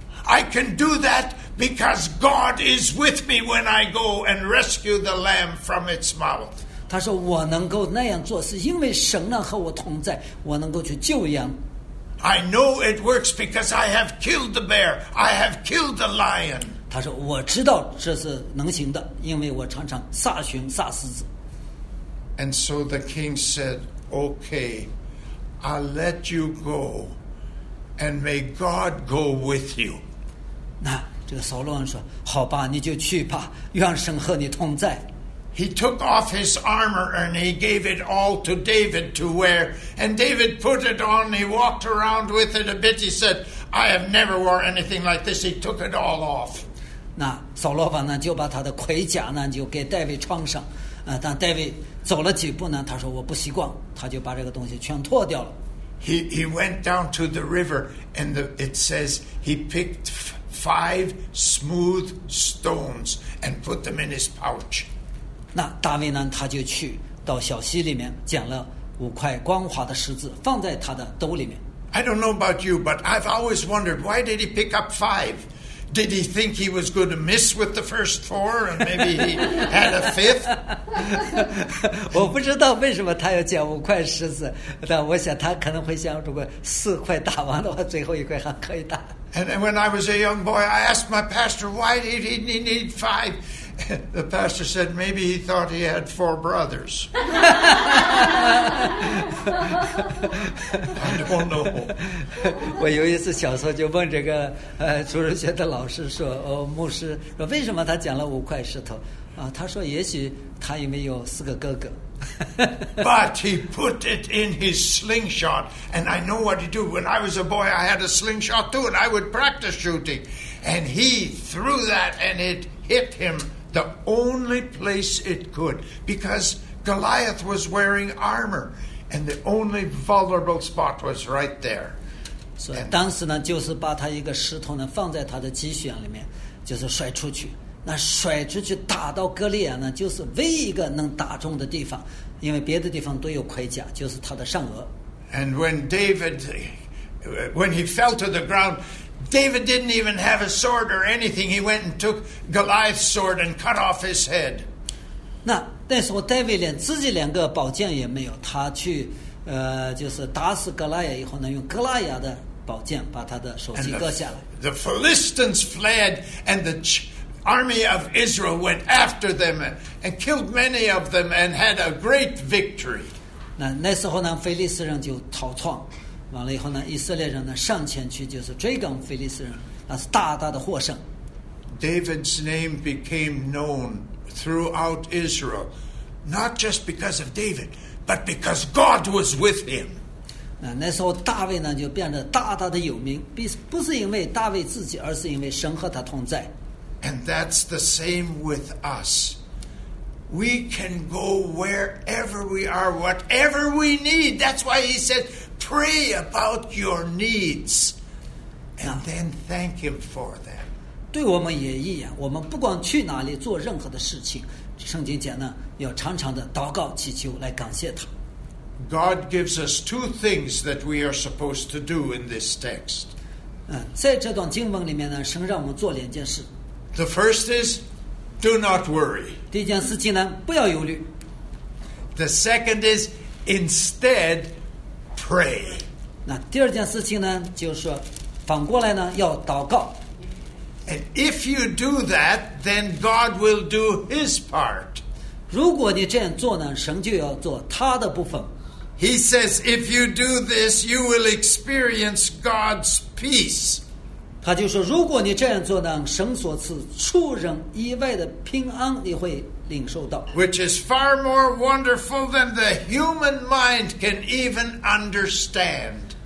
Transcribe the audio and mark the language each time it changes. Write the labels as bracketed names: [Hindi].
[English] I can do that because God is with me when I go and rescue the lamb from its mouth. [Chinese] 他说，我能够那样做，是因为神呢和我同在，我能够去救羊。 [English] I know it works because I have killed the bear. I have killed the lion. [Chinese] 他说我知道这是能行的，因为我常常杀熊杀狮子。 [English] And so the king said, "Okay, I'll let you go, and may God go with you." [Chinese] 那这个扫罗王说，好吧，你就去吧，愿神和你同在。 [English] He took off his armor and he gave it all to David to wear. And David put it on. He walked around with it a bit. He said, "I have never worn anything like this." He took it all off. [Chinese] 那扫罗反呢就把他的盔甲呢就给戴维穿上，但戴维走了几步呢，他说我不习惯，他就把这个东西全脱掉了。 [English] He went down to the river, and it says he picked five smooth stones and put them in his pouch. [Chinese] 那大卫呢，他就去到小溪里面捡了五块光滑的石子，放在他的兜里面。 [English] I don't know about you, but I've always wondered why did he pick up five? Did he think he was going to miss with the first four, and maybe he had a fifth? [Chinese] 我不知道为什么他要捡五块石子，但我想他可能会想，如果四块打完的话，最后一块还可以打。 [English] And when I was a young boy, I asked my pastor, why did he need five? The pastor said, maybe he thought he had four brothers. I don't know. [Chinese] 我有一次小时候就问这个主日学的老师说，哦，牧师说为什么他捡了五块石头啊？他说也许他因为有四个哥哥。 [English] But he put it in his slingshot, and I know what he did. When I was a boy, I had a slingshot too, and I would practice shooting. And he threw that, and it hit him the only place it could, because Goliath was wearing armor, and the only vulnerable spot was right there. [Chinese] So, 当时呢，就是把他一个石头呢放在他的脊髓里面，就是甩出去。那甩出去打到哥利亚呢，就是唯一一个能打中的地方，因为别的地方都有盔甲，就是他的上额。 [English] And when David, when he fell to the ground, David didn't even have a sword or anything. He went and took Goliath's sword and cut off his head. [Chinese] 那但是我戴维连自己连个宝剑也没有，他去就是打死哥利亚以后呢，用哥利亚的宝剑把他的手机割下来。 [English] The Philistines fled, and the army of Israel went after them and killed many of them and had a great victory. [Chinese] 那时候呢，腓力斯人就逃窜，完了以后呢，以色列人呢上前去就是追赶腓力斯人，那是大大的获胜。 [English] David's name became known throughout Israel, not just because of David, but because God was with him. [Chinese] 那时候大卫呢就变得大大的有名，不是因为大卫自己，而是因为神和他同在。 [English] And that's the same with us. We can go wherever we are, whatever we need. That's why he said, pray about your needs, and then thank him for them. [Chinese] 对我们也一样，我们不管去哪里做任何的事情，圣经讲呢，要常常的祷告祈求来感谢他。 [English] God gives us two things that we are supposed to do in this text. [Chinese] 在这段经文里面呢，神让我们做两件事。 [English] The first is, do not worry. [Chinese] 第一件事情呢，不要忧虑。 [English] The second is, instead, pray. [Chinese] 那第二件事情呢，就是反过来呢，要祷告。 [English] And if you do that, then God will do His part. [Chinese] 如果你这样做呢，神就要做他的部分。 [English] He says, if you do this, you will experience God's peace. [Chinese] 他就说，如果你这样做呢，神所赐出人意外的平安你会领受到。 [English] Which is far more wonderful than the human mind can even understand.